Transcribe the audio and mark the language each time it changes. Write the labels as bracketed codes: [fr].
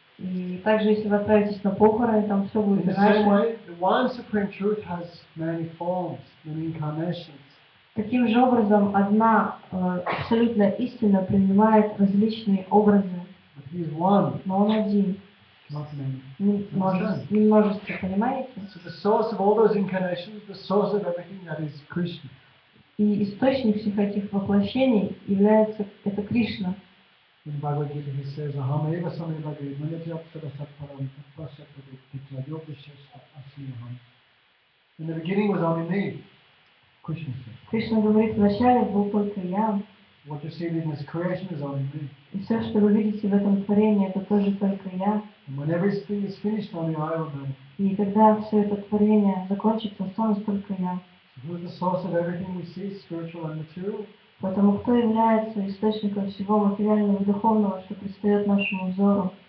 [ru] И также, если вы отправитесь на похороны, там все будет иначе. [en] In the same way, the one supreme truth has many forms, many incarnations. [ru] Таким же образом, одна абсолютная истина принимает различные образы. [en] But he is one. [ru] Но он один. [en] Not many. [ru] Множество, понимаете? [en] So the source of all those incarnations, the source of everything that is Krishna. [ru] И источник всех этих воплощений является это Кришна. [en] In Bhagavad-gita he says, [sa] aham eva sam eva gri manati apsara satparam tatpasya padu kitla yopishyasta asmi aham. [en] In the beginning was only me, Krishna said. [ru] Krishna говорит, вначале был только я. [en] What you see in this creation is only me. [ru] И все, что вы видите в этом творении, это тоже только я. [en] And when everything is finished, only I will be. [ru] И когда все это творение закончится, останусь только я. [en] Who is the source of everything we see, spiritual and material? [ru] Потому кто является источником всего материального и духовного, что предстает нашему взору?